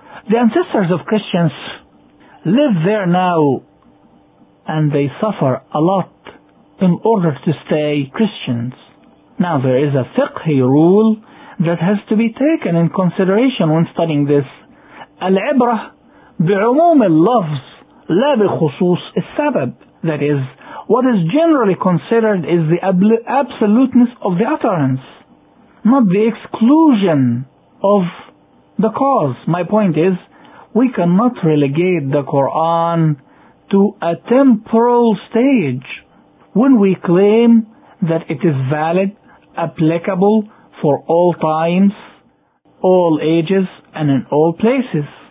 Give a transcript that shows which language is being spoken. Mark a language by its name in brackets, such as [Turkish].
[English] The ancestors of Christians live there now, and they suffer a lot in order to stay Christians. Now, there is a fiqhi rule that has to be taken in consideration when studying this. [Arabic] Al-ibrah بعموم اللفظ لا بخصوص السبب. [English] That is, what is generally considered is the absoluteness of the utterance, not the exclusion of the cause. My point is, we cannot relegate the Quran to a temporal stage when we claim that it is valid, applicable for all times, all ages, and in all places.